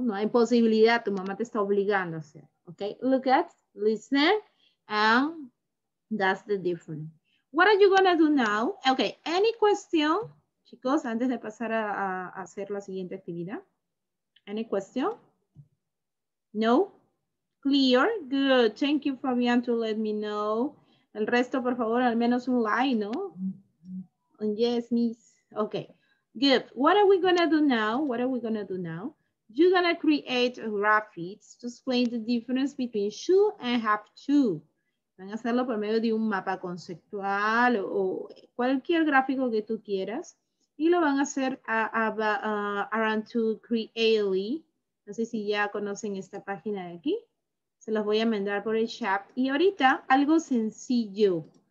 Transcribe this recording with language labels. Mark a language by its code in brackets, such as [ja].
[es] No hay posibilidad, tu mamá te está obligando a hacer. [en] Ok, look at, listen, and that's the difference. What are you going to do now? Ok, any question, [es] chicos, antes de pasar a hacer la siguiente actividad. [en] Any question? No? Clear? Good. Thank you, Fabian, to let me know. [es] El resto, por favor, al menos un like, ¿no? [en] And yes, miss. Okay. Good. What are we going to do now? What are we going to do now? You're going to create graphics to explain the difference between should and have to. [es] Van a hacerlo por medio de un mapa conceptual o cualquier gráfico que tú quieras. Y lo van a hacer [en] around to [es] Creally. No sé si ya conocen esta página de aquí. Se los voy a mandar por el chat. Y ahorita, algo sencillo.